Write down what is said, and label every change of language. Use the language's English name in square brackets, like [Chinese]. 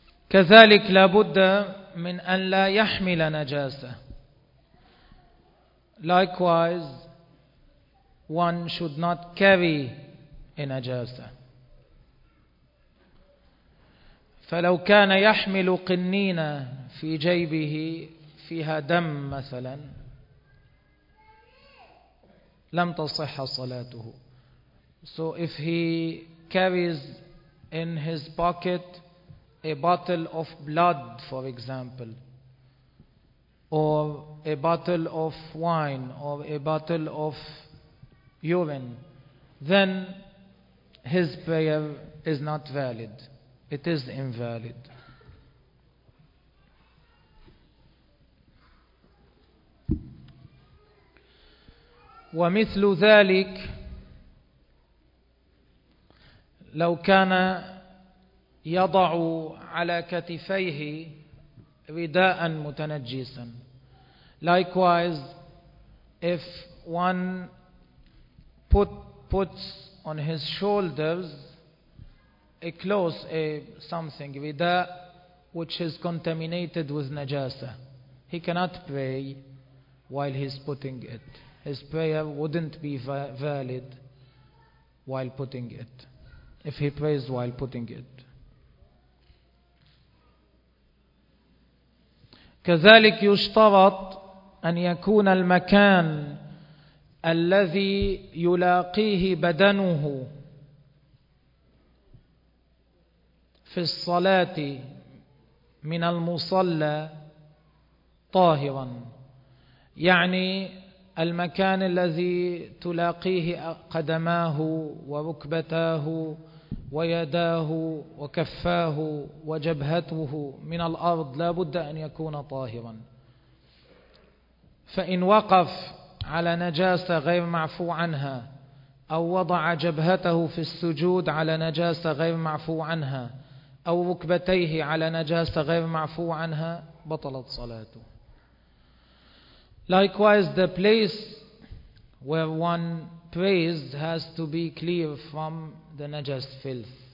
[Arabic] كذلك لابد من أن لا يحمل نجاسة [English] likewise One should not carry a najasa. [Arabic] فلو كان يحمل قنينة في جيبه فيها دم مثلا لم تصح صلاته. [English] So if he carries in his pocket a bottle of blood, for example, or a bottle of wine, or a bottle of urine, then his prayer is not valid. It is invalid. [Arabic] ومثل ذلك لو كان يضع على كتفيه رداء متنجسا. [English] Likewise, if one puts on his shoulders a cloth, a something, rida, which is contaminated with najasa. He cannot pray while he's putting it. His prayer wouldn't be valid while putting it, if he prays while putting it. [Arabic] كذلك يشترط أن يكون المكان الذي يلاقيه بدنه في الصلاة من المصلى طاهرا يعني المكان الذي تلاقيه قدماه وركبتاه ويداه وكفاه وجبهته من الأرض لا بد أن يكون طاهرا فإن وقف على نجاسة غير معفو عنها أو وضع جبهته في السجود على نجاسة غير معفو عنها أو ركبتيه على نجاسة غير معفو عنها بطلت صلاته. [English] Likewise, the place where one prays has to be clear from the najas filth.